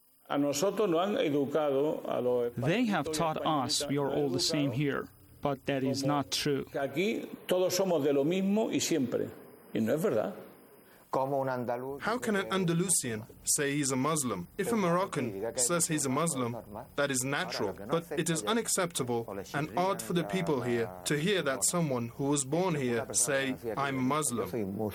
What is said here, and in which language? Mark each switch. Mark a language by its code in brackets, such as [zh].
[es] A nosotros nos han educado a los españoles. [en] They have taught us we are all the same here, but that is not true. [es] Aquí todos somos de lo mismo y siempre. Y no es verdad. [en] How can an Andalusian say he's a Muslim? If a Moroccan says he's a Muslim, that is natural, but it is unacceptable and odd for the people here to hear that someone who was born here say, I'm Muslim.